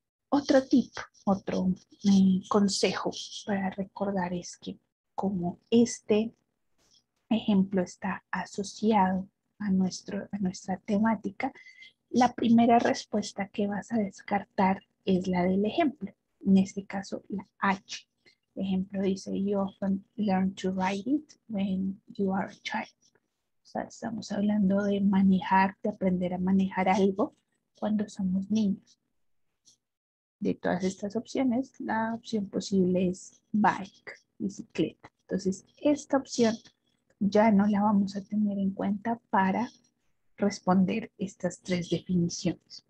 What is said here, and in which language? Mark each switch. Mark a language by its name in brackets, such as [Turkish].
[Spanish] Otro tip, otro consejo para recordar es que como este ejemplo está asociado a nuestra temática, la primera respuesta que vas a descartar es la del ejemplo, en este caso la H. El ejemplo dice, [English] You often learn to write it when you are a child. [Spanish] O sea, estamos hablando de manejar, de aprender a manejar algo cuando somos niños. De todas estas opciones, la opción posible es bike, bicicleta. Entonces, esta opción ya no la vamos a tener en cuenta para responder estas tres definiciones.